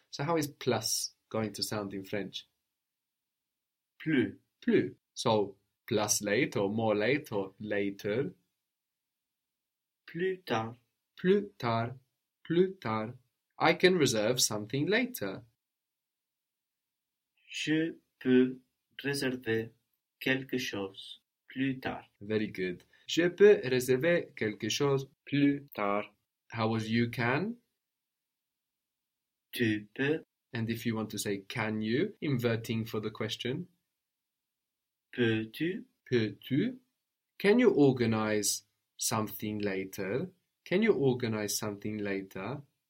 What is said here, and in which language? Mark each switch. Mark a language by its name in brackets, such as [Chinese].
[English] So, how is plus going to sound in French? [French] Plus. Plus. [English] So, plus late or more late or later. [French] Plus tard. Plus tard, plus tard. [English] I can reserve something later. [French] Je peux réserver quelque chose plus tard. [English] Very good. [French] Je peux réserver quelque chose plus tard. [English] How was you can? [French] Tu peux. [English] And if you want to say can you, inverting for the question. [French] Peux-tu? Peux-tu? [English] Can you organize something later? Can you organize something later?